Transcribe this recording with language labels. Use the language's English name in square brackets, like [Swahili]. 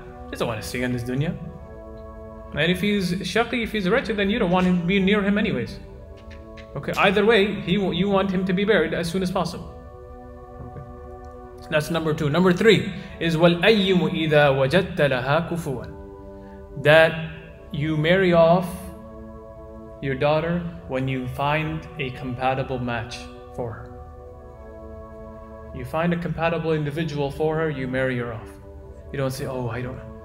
[English] He doesn't want to stay in this dunya. And if he's shaqi, if he's wretched, then you don't want him to be near him anyways. Okay, either way, you want him to be buried as soon as possible. Okay. That's number two. Number three is [Arabic] وَالْأَيِّمُ إِذَا وَجَدْتَ لَهَا كُفُوًا. [English] That you marry off your daughter when you find a compatible match for her. You find a compatible individual for her, you marry her off. You don't say, oh, I don't,